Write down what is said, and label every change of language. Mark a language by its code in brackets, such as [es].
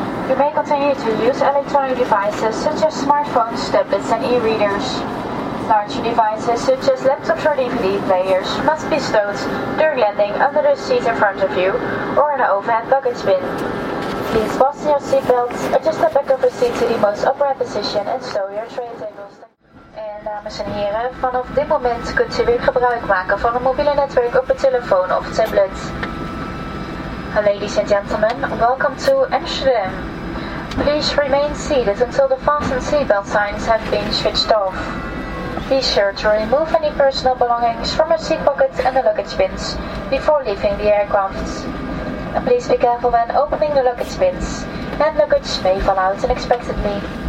[en] You may continue to use electronic devices such as smartphones, tablets and e-readers. Large devices such as laptops or DVD players must be stowed during landing under the seat in front of you or in an overhead luggage bin. Please fasten your seatbelts, adjust the back of your seat to the most upright position and stow your tray tables. [nl] En dames en heren, vanaf dit moment kunt u weer gebruik maken van een mobiele netwerk op een telefoon of tablet. [en] Ladies and gentlemen, welcome to Amsterdam. Please remain seated until the fasten seatbelt signs have been switched off. Be sure to remove any personal belongings from your seat pockets and the luggage bins before leaving the aircraft. And please be careful when opening the luggage bins, and luggage may fall out unexpectedly.